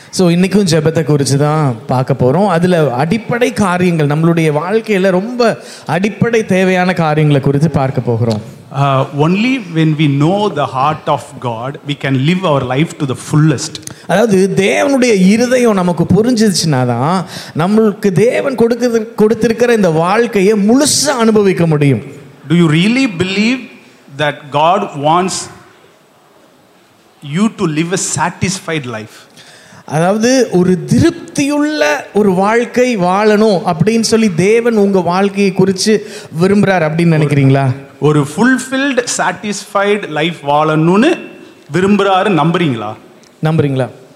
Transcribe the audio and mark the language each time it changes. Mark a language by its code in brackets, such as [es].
[ta] So இன்றைக்கும் ஜெபத்தை குறித்து தான் பார்க்க போகிறோம். அதில் அடிப்படை காரியங்கள், நம்மளுடைய வாழ்க்கையில் ரொம்ப அடிப்படை தேவையான காரியங்களை குறித்து பார்க்க போகிறோம். [en] Only when we know the heart of God, we can live our life to the fullest. [ta] அதாவது தேவனுடைய இருதயம் நமக்கு புரிஞ்சிச்சுனாதான் நமக்கு தேவன் கொடுத்திருக்கிற இந்த வாழ்க்கையை முழுசா அனுபவிக்க முடியும். [en] Do you really believe that God wants you to live a satisfied life? [ta] அதாவது ஒரு திருப்தியுள்ள ஒரு வாழ்க்கை வாழணும் அப்படின்னு சொல்லி தேவன் உங்க வாழ்க்கையை குறித்து விரும்புறார் அப்படின்னு நினைக்கிறீங்களா? ஒரு [en] fulfilled satisfied life [ta] வாழணும்னு விரும்புறாரு நம்புறீங்களா? நம்புறீங்களா?